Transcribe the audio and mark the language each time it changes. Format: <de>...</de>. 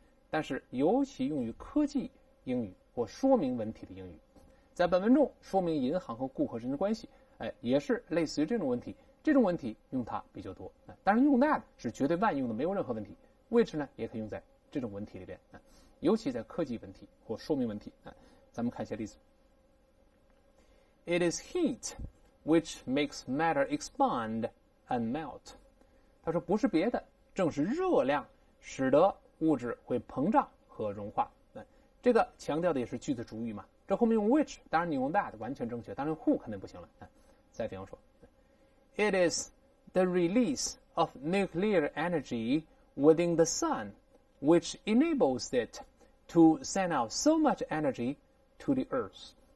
<zh>但是尤其用于科技英语或说明文体的英语，在本文中说明银行和顾客之间的关系。也是类似于这种问题，这种问题用它比较多。当然用 that 是绝对万用的，没有任何问题。which 呢，也可以用在这种问题里边，尤其在科技问题或说明问题。咱们看一下例子。</zh> <en>It is heat which makes matter expand and melt。</en> <zh>他说不是别的，正是热量使得物质会膨胀和融化。这个强调的也是句子主语嘛。这后面用 which， 当然你用 that 完全正确，当然 who 肯定不行了。再比方说</zh> <en>，It is the release of nuclear energy within the sun, which enables it to send out so much energy to the earth。</en>